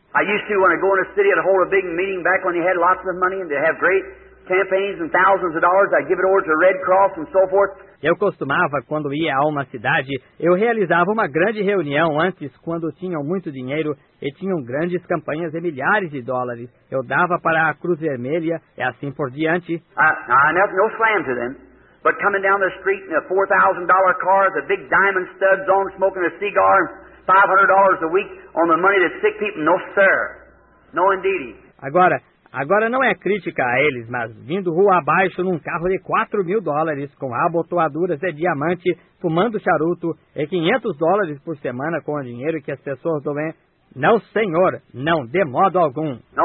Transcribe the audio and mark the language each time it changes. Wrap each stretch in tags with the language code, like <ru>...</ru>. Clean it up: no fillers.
<en>I used to, when I go in a city, I'd hold a big meeting back when they had lots of money and they have great campaigns and thousands of dollars. I'd give it over to Red Cross and so forth.</en> <pt>Eu costumava, quando ia a uma cidade, eu realizava uma grande reunião antes, quando tinham muito dinheiro e tinham grandes campanhas de milhares de dólares. Eu dava para a Cruz Vermelha e assim por diante.</pt> <en>No slam to them, but coming down the street in a $4,000 car, the big diamond studs on, smoking a cigar, $500 a week on the money that sick people, no sir, no indeed.</en> <pt>Agora, não é crítica a eles, mas vindo rua abaixo num carro de $4,000 com abotoaduras de diamante, fumando charuto e $500 por semana com o dinheiro que as pessoas doem. Não, senhor, não, de modo algum.</pt>